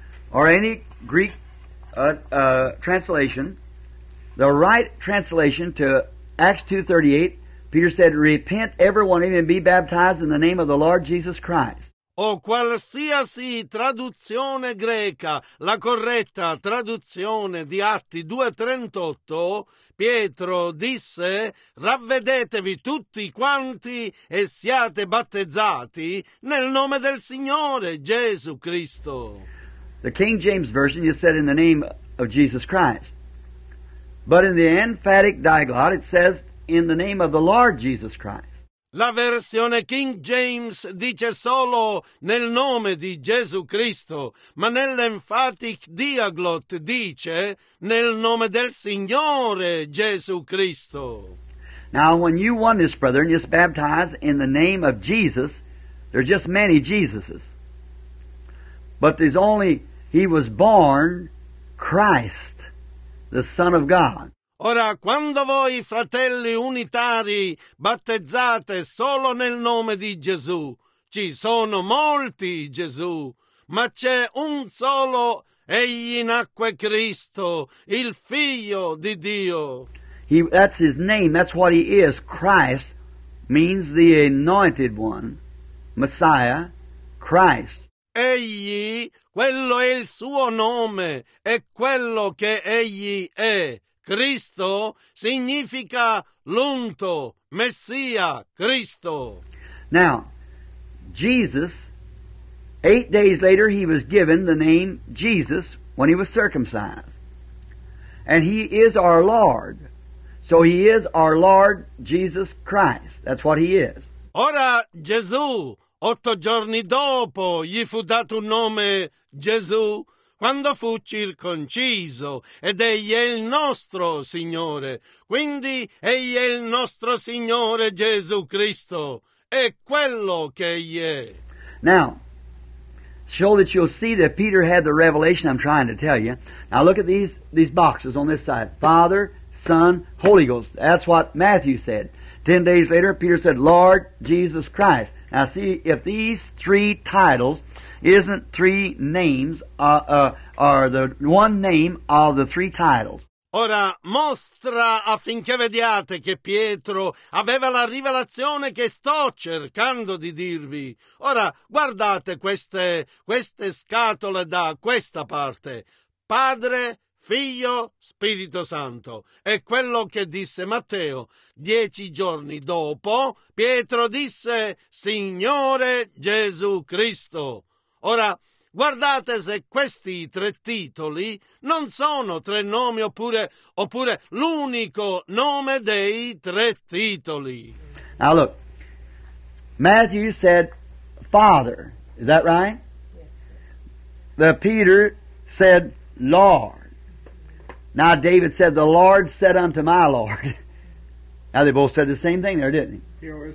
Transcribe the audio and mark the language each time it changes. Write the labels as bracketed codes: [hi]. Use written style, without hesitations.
[en] Or any Greek translation, the right translation to Acts 2:38, Peter said, Repent, everyone, and be baptized in the name of the Lord Jesus Christ. [it] O qualsiasi traduzione greca, la corretta traduzione di Atti 2:38, Pietro disse, ravvedetevi tutti quanti e siate battezzati nel nome del Signore Gesù Cristo. [en] The King James Version, you said in the name of Jesus Christ. But in the emphatic diglot, it says in the name of the Lord Jesus Christ. [it] La versione King James dice solo nel nome di Gesù Cristo, ma nell'emphatic diaglot dice nel nome del Signore Gesù Cristo. [en] Now, when you oneness, brethren, is baptized in the name of Jesus, there are just many Jesuses. But there's only, he was born Christ, the Son of God. [it] Ora, quando voi, fratelli unitari, battezzate solo nel nome di Gesù, ci sono molti Gesù, ma c'è un solo, egli nacque Cristo, il Figlio di Dio. [en] That's his name, that's what he is. Christ means the anointed one, Messiah, Christ. [it] Egli, quello è il suo nome, è quello che egli è. Cristo significa l'unto, Messia, Cristo. [en] Now, Jesus, 8 days later, he was given the name Jesus when he was circumcised. And he is our Lord. So he is our Lord Jesus Christ. That's what he is. [it] Ora, Gesù, 8 giorni dopo, gli fu dato un nome Gesù. Quando fu circonciso, ed egli è il nostro Signore, quindi egli è il nostro Signore Gesù Cristo, è quello che egli è. [en] Now, show that you'll see that Peter had the revelation I'm trying to tell you. Now look at these boxes on this side. Father, Son, Holy Ghost. That's what Matthew said. 10 days later, Peter said, Lord Jesus Christ. Now see, if these three titles isn't three names are the one name of the three titles. [it] Ora mostra affinché vediate che Pietro aveva la rivelazione che sto cercando di dirvi. Ora guardate queste scatole da questa parte. Padre, Figlio, Spirito Santo. È quello che disse Matteo. 10 giorni dopo, Pietro disse, Signore Gesù Cristo. Ora, guardate se questi tre titoli non sono tre nomi oppure l'unico nome dei tre titoli. [en] Now look, Matthew said, Father, is that right? The Peter said, Lord. Now David said, the Lord said unto my Lord. Now they both said the same thing there, didn't he?